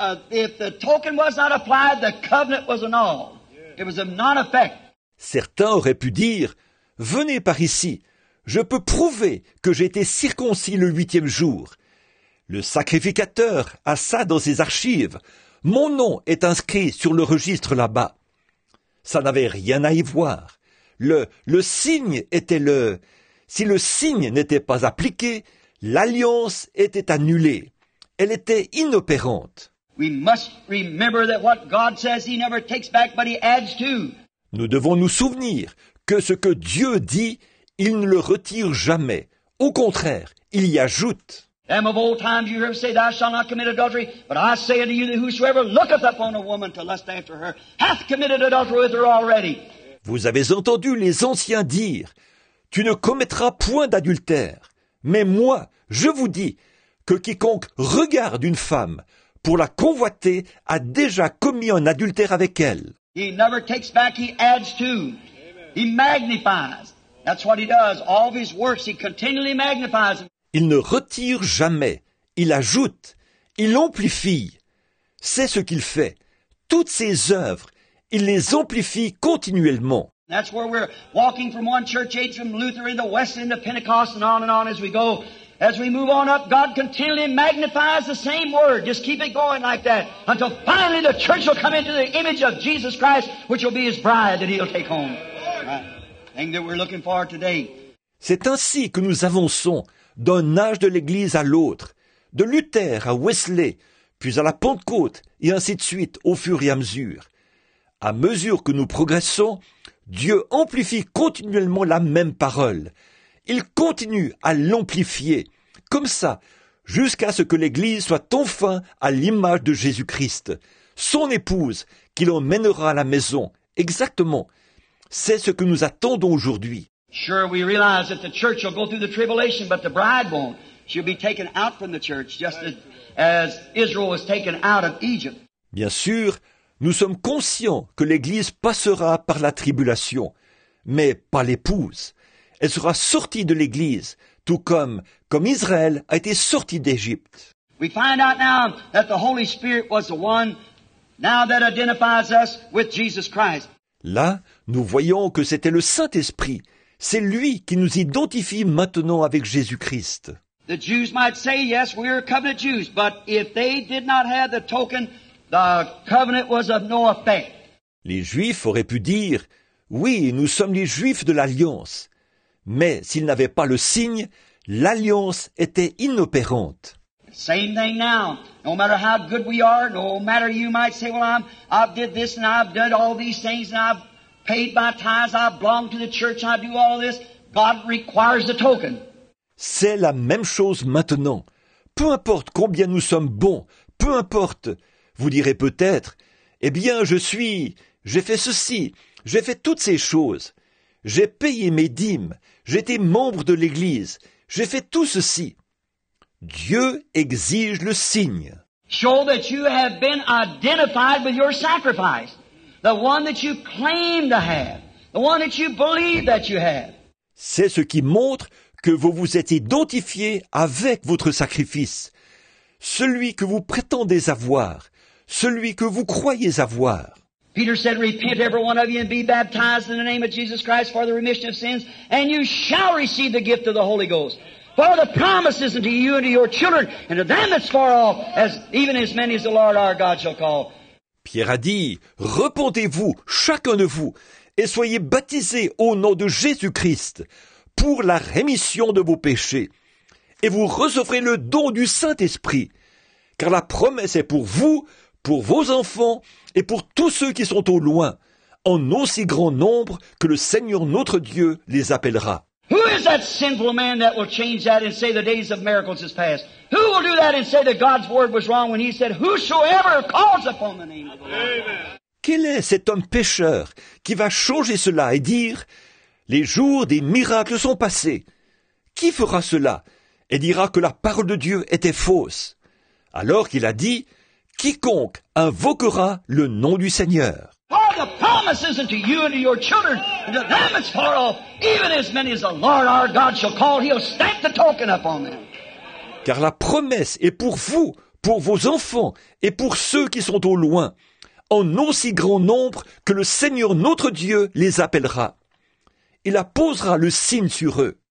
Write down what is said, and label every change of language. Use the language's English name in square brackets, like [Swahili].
[English] If the token was not applied, the covenant was annulled. It was of non-effect. [French] Certains auraient pu dire, venez par ici, je peux prouver que j'ai été circoncis le huitième jour. Le sacrificateur a ça dans ses archives. Mon nom est inscrit sur le registre là-bas. Ça n'avait rien à y voir. Le signe était le... Si le signe n'était pas appliqué, l'alliance était annulée. Elle était inopérante. [English] We must remember that what God says he never takes back, but he adds to. [French] Nous devons nous souvenir que ce que Dieu dit, il ne le retire jamais. Au contraire, il y ajoute. [English] Them of old times you heard say, thou shalt not commit adultery, but I say unto you that whosoever looketh upon a woman to lust after her hath committed adultery with her already. [French] Vous avez entendu les anciens dire, tu ne commettras point d'adultère, mais moi, je vous dis que quiconque regarde une femme pour la convoiter a déjà commis un adultère avec elle. [English] He never takes back, he adds to. He magnifies. That's what he does. All of his works, he continually magnifies. [French] Il ne retire jamais. Il ajoute. Il amplifie. C'est ce qu'il fait. Toutes ses œuvres, il les amplifie continuellement. [English] That's where we're walking from one church age from Luther in the West into Pentecost and on as we go. As we move on up, God continually magnifies the same word. Just keep it going like that until finally the church will come into the image of Jesus Christ, which will be his bride that he'll take home. Right. Thing that we're looking for today. [French] C'est ainsi que nous avançons d'un âge de l'Église à l'autre, de Luther à Wesley, puis à la Pentecôte, et ainsi de suite au fur et à mesure. À mesure que nous progressons, Dieu amplifie continuellement la même parole. Il continue à l'amplifier, comme ça, jusqu'à ce que l'Église soit enfin à l'image de Jésus-Christ, son épouse, qu'il emmènera à la maison. Exactement, c'est ce que nous attendons aujourd'hui. [English] Sure, we realize that the church will go through the tribulation, but the bride won't. She'll be taken out from the church, just as Israel was taken out of Egypt. [French] Bien sûr, nous sommes conscients que l'Église passera par la tribulation, mais pas l'épouse. Elle sera sortie de l'Église, tout comme Israël a été sorti d'Égypte. [English] We find out now that the Holy Spirit was the one now that identifies us with Jesus Christ. [French] Là, nous voyons que c'était le Saint-Esprit. C'est lui qui nous identifie maintenant avec Jésus-Christ. [English] The Jews might say, yes, we are covenant Jews, but if they did not have the token, the covenant was of no effect. [French] Les Juifs auraient pu dire, oui, nous sommes les Juifs de l'Alliance. Mais s'ils n'avaient pas le signe, l'Alliance était inopérante. [English] Same thing now. No matter how good we are, no matter you might say, well, I've did this and I've done all these things and I've paid my tithes, I belong to the church, I do all this. God requires the token. [French] C'est la même chose maintenant. Peu importe combien nous sommes bons, peu importe, vous direz peut-être, eh bien, j'ai fait ceci, j'ai fait toutes ces choses, j'ai payé mes dîmes, j'étais membre de l'Église, j'ai fait tout ceci. Dieu exige le signe. [English] Show that you have been identified with your sacrifice. The one that you claim to have. The one that you believe that you have. [French] C'est ce qui montre que vous vous êtes identifié avec votre sacrifice. Celui que vous prétendez avoir. Celui que vous croyez avoir. [English] Peter said, repent every one of you and be baptized in the name of Jesus Christ for the remission of sins, and you shall receive the gift of the Holy Ghost. For the promise is unto you and to your children, and to them that's far off, as even as many as the Lord our God shall call. [French] Pierre a dit, « Repentez-vous, chacun de vous, et soyez baptisés au nom de Jésus-Christ pour la rémission de vos péchés, et vous recevrez le don du Saint-Esprit, car la promesse est pour vous, pour vos enfants et pour tous ceux qui sont au loin, en aussi grand nombre que le Seigneur notre Dieu les appellera. » [English] Who is that sinful man that will change that and say the days of miracles is past? Who will do that and say that God's word was wrong when he said, whosoever calls upon the name of the Lord? Amen. [French] Quel est cet homme pécheur qui va changer cela et dire, les jours des miracles sont passés? Qui fera cela et dira que la parole de Dieu était fausse? Alors qu'il a dit, quiconque invoquera le nom du Seigneur. [English] For the promise is unto you and to your children, and to them that's far off, even as many as the Lord our God shall call, he'll stamp the token upon them. [French] Car la promesse est pour vous, pour vos enfants, et pour ceux qui sont au loin, en aussi grand nombre que le Seigneur notre Dieu les appellera. Il apposera le signe sur eux.